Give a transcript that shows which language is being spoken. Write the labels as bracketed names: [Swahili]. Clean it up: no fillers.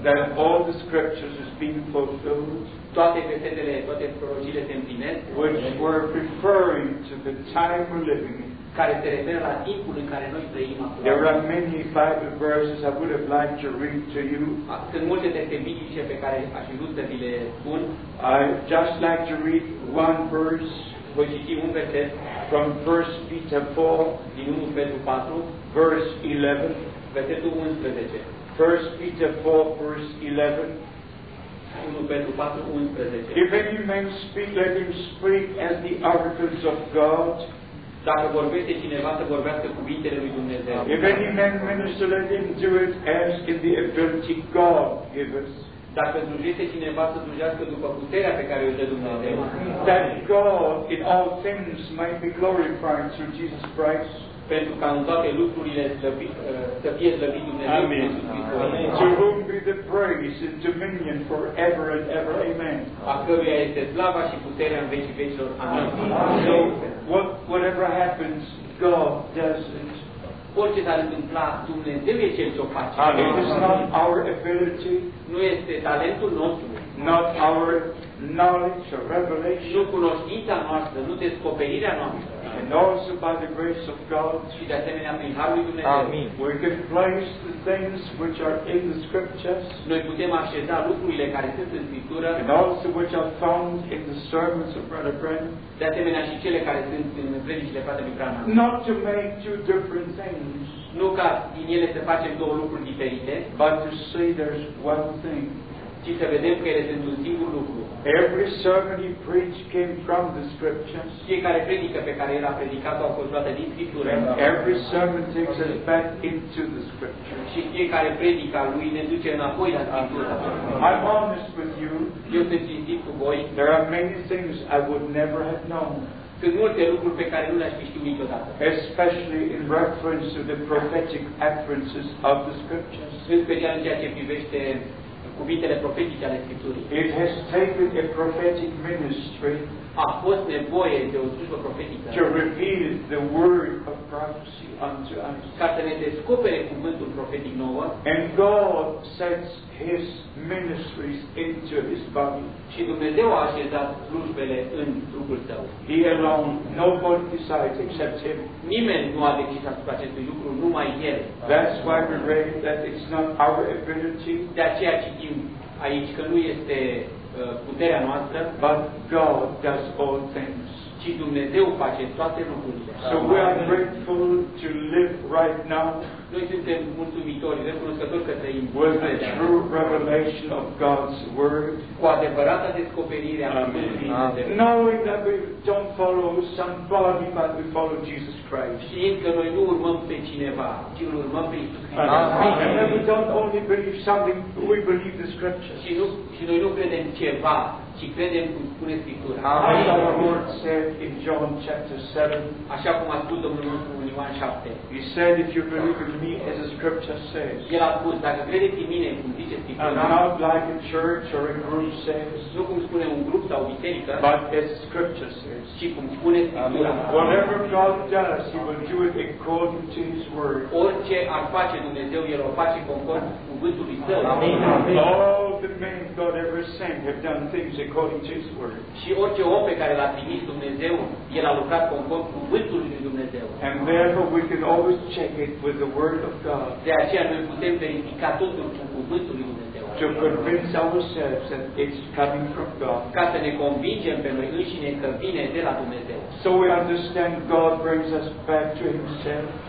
[English] That all the scriptures is being fulfilled. [Romanian] Toate versetele, toate prorociile se împlinesc. [English] Which were referring to the time we're living in. [Romanian] Care se referă la timpul în care noi trăim acum. [English] There are many Bible verses I would have liked to read to you. [Romanian] Sunt multe texte biblice pe care aș vrea să vi le spun. [English] I just like to read one verse. [Romanian] Voi citi un verset. [English] From 1 Peter 4, [Romanian] din 1 Petru 4, [English] verse 11, [Romanian] versetul 11. [English] 1 Peter 4, verse 11. [Romanian] 1 Petru 4, 11. [English] If any man speak, let him speak as the oracles of God. [Romanian] Dacă vorbește cineva, să vorbească cuvintele lui Dumnezeu. [English] If any man minister, let him do it as in the ability God gives. [Romanian] Dacă slujește cineva, să slujească după puterea pe care o dă Dumnezeu. [English] That God in all things might be glorified through Jesus Christ. [Romanian] Pentru ca în toate lucrurile să fie slăvit Dumnezeu. [English] To whom be the praise and dominion forever and ever. Amen. [Romanian] A căruia este slava și puterea în vecii vecilor. Amen. [English] So, whatever happens, God does it. [Romanian] Orice s-ar întâmpla, Dumnezeu e cel ce o face. [English] It is not our ability. [Romanian] Nu este talentul nostru. [English] not our knowledge or revelation, [Romanian] nu cunoștința noastră, nu descoperirea noastră, [English] and also by the grace of God, [Romanian] și de asemenea prin harul lui Dumnezeu, amin. [English] We can place the things which are in the scriptures, [Romanian] noi putem așeza lucrurile care sunt în Scriptură, [English] and also which are found in the sermons of Brother Branham, [Romanian] de asemenea și cele care sunt în predicile fratelui Branham, [English] not to make two different things, [Romanian] nu ca din ele să facem două lucruri diferite, [English] but to say there's one thing, [Romanian] ci să vedem că ele sunt un singur lucru. [English] Every sermon he preached came from the scriptures. [Romanian] Fiecare predică pe care el a predicat-o a fost luată din Scriptură. [English] And every sermon takes us back into the scriptures. [Romanian] Și fiecare predică a lui ne duce înapoi la Scriptură. [English] I'm honest with you. [Romanian] Eu sunt sincer cu voi. [English] There are many things I would never have known. [Romanian] Sunt multe lucruri pe care nu le-aș fi știut niciodată. [English] Especially in reference to the prophetic utterances of the scriptures. [Romanian] În special în ceea ce privește cuvintele profetice ale Scripturii. [English] It has taken a prophetic ministry, [Romanian] a fost nevoie de o slujbă profetică, [English] to reveal the word of prophecy unto us, [Romanian] ca să ne descopere cuvântul profetic nouă, [English] and God sets his ministries into his body, [Romanian] și Dumnezeu a așezat slujbele în trupul său. [English] He alone, nobody decides except him, [Romanian] nimeni nu a decis asupra acestui lucru, numai el. [English] That's why we read that it's not our ability, [Romanian] de aceea citim aici că nu este puterea noastră, [English] but God does all things, [Romanian] ci Dumnezeu face toate lucrurile. [English] So we are grateful to live right now, [Romanian] noi suntem mulțumitori, recunoscători că trăim, [English] with the true revelation of God's word, [Romanian] cu adevărata descoperire a Cuvântului. [English] Knowing that we don't follow somebody, but we follow Jesus Christ. [Romanian] Știind că noi nu urmăm pe cineva, ci îl urmăm pe Iisus Hristos. [English] And we don't only believe something, we believe the scriptures. [Romanian] Și noi nu credem ceva, ci credem cum spune Scriptura. Amen. [English] As our Lord said in John chapter 7, [Romanian] așa cum a spus Domnul nostru în Ioan 7, [English] he said, if you believe in me, as the scripture says, [Romanian] el a spus, dacă credeți în mine, cum zice Scriptura, [English] and not like a church or a group says, [Romanian] nu cum spune un grup sau o biserică, [English] but as the scripture says, [Romanian] ci cum spune Scriptura. [English] Whatever God does, he will do it according to his word. [Romanian] Orice ar face Dumnezeu, el o face conform cuvântului său. Amen. [English] All the men God ever sent have done things according to his word. [Romanian] Și orice om pe care l-a trimis Dumnezeu, el a lucrat conform cuvântului lui Dumnezeu. [English] And therefore we can always check it with the word of God. [Romanian] De aceea noi putem verifica totul cu cuvântul lui Dumnezeu. [English] To convince ourselves that it's coming from God. [Romanian] Ca să ne convingem pe noi înșine că vine de la Dumnezeu. [English] So we understand God brings us back to himself.